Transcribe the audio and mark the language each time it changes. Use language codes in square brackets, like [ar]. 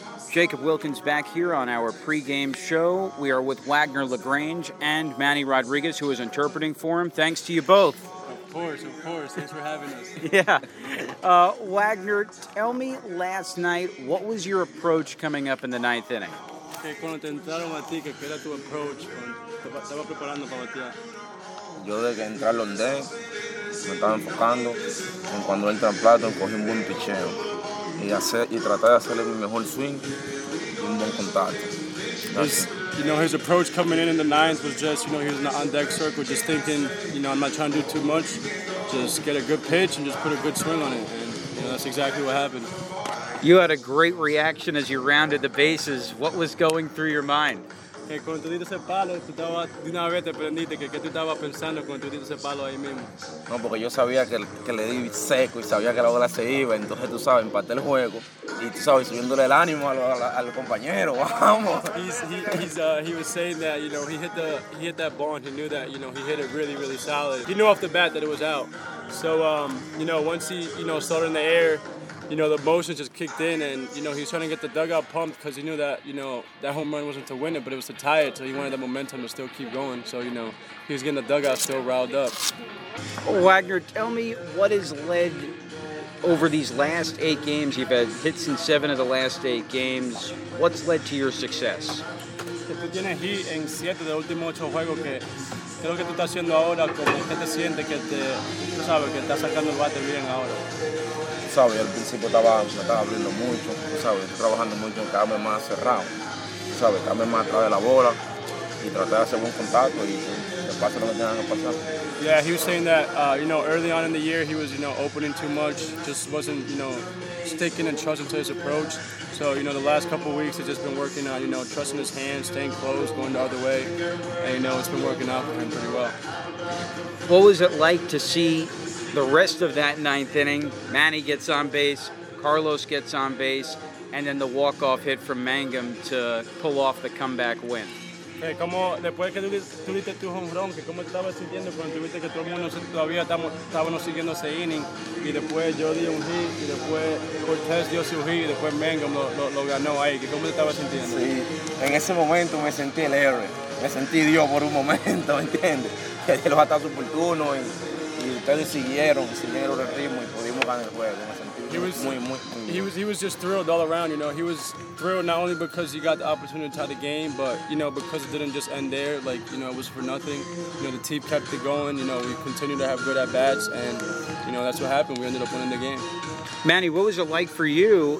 [en] Jacob Wilkins back here on our pregame show. We are with Wagner LaGrange and Manny Rodriguez, who is interpreting for him. Thanks to you both. Of course. Thanks for having us. Yeah. Wagner, tell me last night, what was your approach coming up in the ninth inning? [es] Okay, cuando te entraron a ti, ¿qué era tu approach? Estaba preparando para batear. Yo desde que entré al Londé, me estaba enfocando en cuando entra en plato, cogí un buen picheo. Y traté de hacerle mi mejor swing y un buen contacto. [en] You know, his approach coming in the ninth was just, you know, he was in the on-deck circle just thinking, you know, I'm not trying to do too much. Just get a good pitch and just put a good swing on it. And, you know, that's exactly what happened. You had a great reaction as you rounded the bases. What was going through your mind? [es] Cuando tú diste ese palo, tú estabas, de una vez te prendiste, que tú estabas pensando cuando tú diste ese palo ahí mismo. No, porque yo sabía que le di seco y sabía que la bola se iba, entonces tú sabes, empaté el juego y tú sabes, subiéndole el ánimo al compañero, vamos. [en] He was saying that, you know, he hit that bond, he knew that, you know, he hit it really, really solid. He knew off the bat that it was out. So, you know, once he, you know, started in the air, you know, the motion just kicked in and, you know, he was trying to get the dugout pumped because he knew that, you know, that home run wasn't to win it, but it was to tie it. So he wanted the momentum to still keep going. So, you know, he was getting the dugout still riled up. Wagner, tell me what has led over these last eight games. You've had hits in seven of the last eight games. What's led to your success? [es] Tú tienes hit en siete de los últimos ocho juegos que... ¿Qué es lo que tú estás haciendo ahora? ¿Cómo es que te sientes que te, tú sabes, que estás sacando el bate bien ahora? Tú sabes, al principio me estaba abriendo mucho, tú sabes, estoy trabajando mucho en quedarme más cerrado, tú sabes, quedarme más atrás de la bola y tratar de hacer buen contacto y que pase lo que tenga que pasar. [en] Yeah, he was saying that, you know, early on in the year he was, you know, opening too much, just wasn't, you know, sticking and trusting to his approach. So, you know, the last couple weeks he's just been working on, you know, trusting his hands, staying close, going the other way. And, you know, it's been working out for him pretty well. What was it like to see the rest of that ninth inning? Manny gets on base, Carlos gets on base, and then the walk-off hit from Mangum to pull off the comeback win. [es] Hey, ¿cómo después que tú diste tu home run, que cómo estabas sintiendo cuando tuviste que todo el mundo todavía estábamos siguiendo ese inning? Y después yo di un hit, y después Cortés dio su hit, y después Mangum lo ganó ahí. ¿Cómo te estabas sintiendo? Sí, en ese momento me sentí el héroe. Me sentí Dios por un momento, ¿me entiendes? Que Dios hasta su oportuno y ustedes siguieron el ritmo y pudimos ganar el juego. [en] He was just thrilled all around, you know. He was thrilled not only because he got the opportunity to tie the game, but, you know, because it didn't just end there. Like, you know, it was for nothing. You know, the team kept it going. You know, we continued to have good at-bats, and, you know, that's what happened. We ended up winning the game. Manny, what was it like for you?